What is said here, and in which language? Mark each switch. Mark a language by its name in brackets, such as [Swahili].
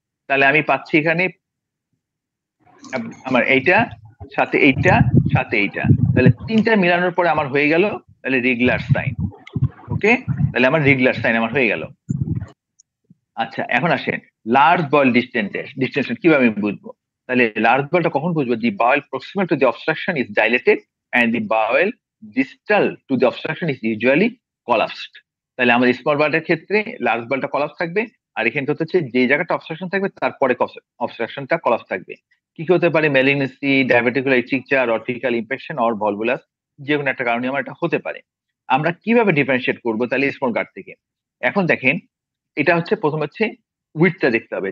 [Bangla] তাহলে আমি পাচ্ছি এখানে আমার এইটা সাথে এইটা সাথে এইটা, তাহলে তিনটা মিলানোর পরে আমার হয়ে গেল তাহলে রেগুলার সাইন। ওকে, তাহলে আমার রেগুলার সাইন আমার হয়ে গেল। আচ্ছা, এখন আসেন লার্জ বয়েল ডিস্টেন্টেড। ডিস্টেনশন কিভাবে আমি বুঝবো? তাহলে লার্জ বয়েলটা কখন বুঝবো? [English] The bowel proximate to the obstruction is dilated and the bowel distal to the obstruction is usually collapsed. [Bangla] তাহলে আমাদের স্মল বাউলের ক্ষেত্রে লার্জ বাউলটা কলাপস থাকবে, আর এখানে তো হচ্ছে যে জায়গাটা অবস্ট্রাকশন থাকবে তারপরে অবস্ট্রাকশনটা কলাপস থাকবে। কি কি হতে পারে? ম্যালিগন্যান্সি, ডায়াবেটিকুলার ইচিকচার, অর্টিকাল ইনফেকশন অর ভলভুলাস, যে কোনো একটা কারণে আমার এটা হতে পারে। আমরা কিভাবে ডিফারেনশিয়েট করবো তাহলে স্মল গাট থেকে? এখন দেখেন এটা হচ্ছে প্রথম হচ্ছে উইডটা দেখতে হবে।